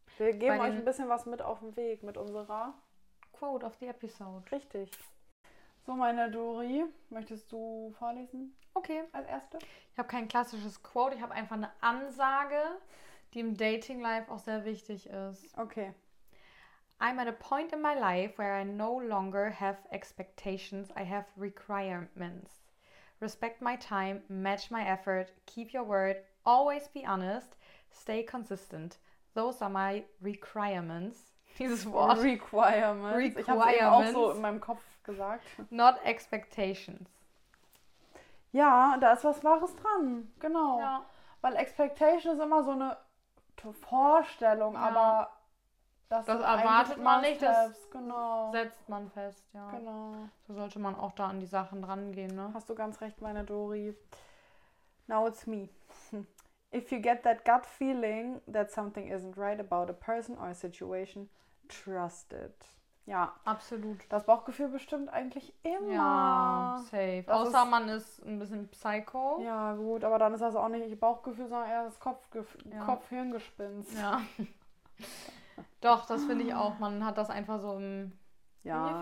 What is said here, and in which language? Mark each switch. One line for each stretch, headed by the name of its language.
German: Wir geben euch ein bisschen was mit auf den Weg mit unserer
English: Quote of the Episode.
German: Richtig. So, meine Dori, möchtest du vorlesen? Okay. Als Erste? Ich habe kein klassisches Quote, ich habe einfach eine Ansage, die im Dating-Life auch sehr wichtig ist. Okay.
English: I'm at a point in my life where I no longer have expectations, I have requirements. Respect my time, match my effort, keep your word, always be honest, stay consistent. Those are my requirements.
German: Dieses Wort.
English: Requirements.
German: Ich habe es eben auch so in meinem Kopf gesagt.
English: Not expectations.
German: Ja, da ist was Wahres dran. Genau. Ja. Weil Expectation ist immer so eine Vorstellung, aber... Das erwartet man nicht, Steps. Das genau. setzt man fest, ja. Genau. So sollte man auch da an die Sachen drangehen, ne? Hast du ganz recht, meine Dori.
English: Now it's me. If you get that gut feeling that something isn't right about a person or a situation, trust it.
German: Ja. Absolut. Das Bauchgefühl bestimmt eigentlich immer. Ja, safe. Außer man ist ein bisschen Psycho. Ja, gut, aber dann ist das auch nicht Bauchgefühl, sondern eher das Kopf-Hirngespinst. Ja. Doch, das finde ich auch. Man hat das einfach so im ja,